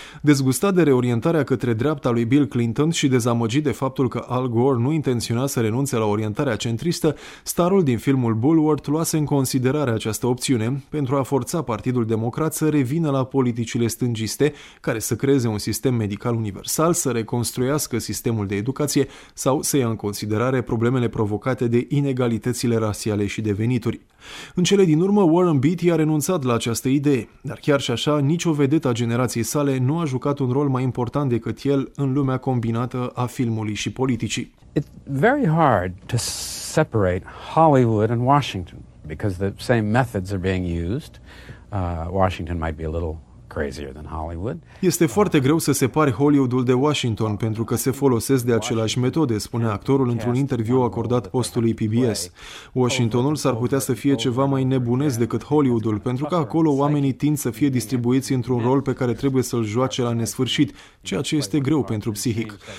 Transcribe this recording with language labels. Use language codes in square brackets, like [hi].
[ro] Dezgustat de reorientarea către dreapta lui Bill Clinton și dezamăgit de faptul că Al Gore nu intenționa să renunțe la orientarea centristă, starul din filmul Bullworth luase în considerare această opțiune pentru a forța Partidul Democrat să revină la politicile stângiste, care să creeze un sistem medical universal, să reconstruiască sistemul de educație sau să ia în considerare problemele provocate de inegalitățile rasiale și de venituri. În cele din urmă, Warren Beatty a renunțat la această idee, dar chiar și așa, nicio vedetă a generației sale nu a jucat un rol mai important decât el în lumea combinată a filmului și politicii. [en] It's very hard to separate Hollywood and Washington because the same methods are being used. Washington might be a little crazier than Hollywood. [ro] Este foarte greu să separi Hollywood-ul de Washington pentru că se folosesc de aceleași metode, spune actorul într-un interviu acordat postului PBS. Washingtonul s-ar putea să fie ceva mai nebunesc decât Hollywood-ul, pentru că acolo oamenii tind să fie distribuiți într-un rol pe care trebuie să-l joace la nesfârșit, ceea ce este greu pentru psihic.